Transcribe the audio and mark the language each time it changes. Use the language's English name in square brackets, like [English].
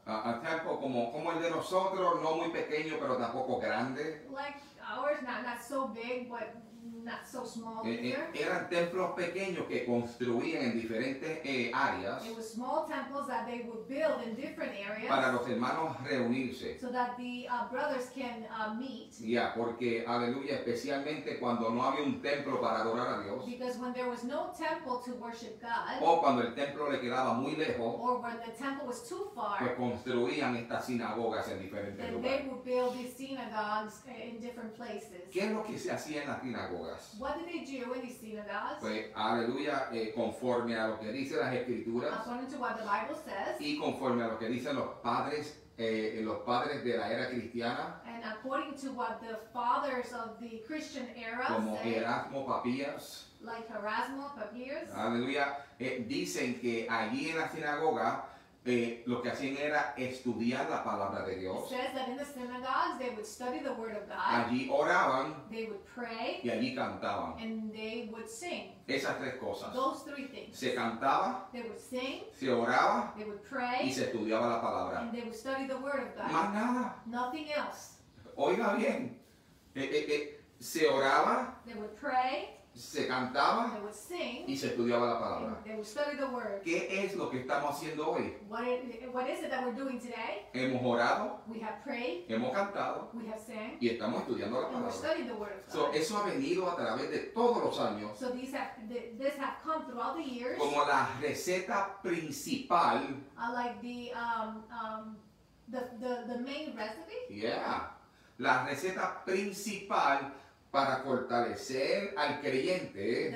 [English] A temple [Spanish] como el de nosotros, no muy pequeño, pero tampoco grande. [English] Like ours, not so big, but not so small either. [Spanish] Eran templos pequeños que construían en diferentes áreas. [English] It was small temples that they would build in different areas. [Spanish] Para los hermanos reunirse. [English] So that the brothers can meet. [Spanish] Yeah, porque, aleluya, especialmente cuando no había un templo para adorar a Dios. [English] Because when there was no temple to worship God. [Spanish] O cuando el templo le quedaba muy lejos. [English] Or when the temple was too far. [Spanish] Pues construían estas sinagogas en diferentes lugares. [English] They would build these synagogues in different places. [Spanish] ¿Qué es lo que se hacía en las sinagogas? [English] What did they do in these synagogues? [Spanish] Pues, aleluya, conforme a lo que dicen las escrituras. [English] According to what the Bible says. [Spanish] Y conforme a lo que dicen los padres de la era cristiana. [English] And according to what the fathers of the Christian era say. [Spanish] Como Erasmo Papías. [English] Like Erasmo Papías. [Spanish] Aleluya, dicen que allí en la sinagoga, lo que hacían era estudiar la palabra de Dios. [English] It says that in the synagogues they would study the word of God. [Spanish] Allí oraban. [English] They would pray. [Spanish] Y allí cantaban. [English] And they would sing. [Spanish] Esas tres cosas. [English] Those three things. [Spanish] Se cantaba. [English] They would sing. [Spanish] Se oraba. [English] They would pray. [Spanish] Y se estudiaba la palabra. [English] And they would study the word of God. [Spanish] Más nada. [English] Nothing else. [Spanish] Oiga bien. Se oraba. [English] They would pray. [Spanish] Se cantaba. [English] They would sing, [Spanish] y se estudiaba la palabra. [English] They would study the word. [Spanish] ¿Qué es lo que estamos haciendo hoy? [English] What is it that we're doing today? [Spanish] Hemos orado. [English] We have prayed. [Spanish] Hemos cantado. [English] We have sang. [Spanish] Y estamos estudiando la palabra. [English] And we're studying the word of God. [Spanish] So, eso ha venido a través de todos los años. [English] So this have come through all the years. [Spanish] Como la receta principal. [English] Like the main recipe. [Spanish] Yeah. La receta principal para fortalecer al creyente.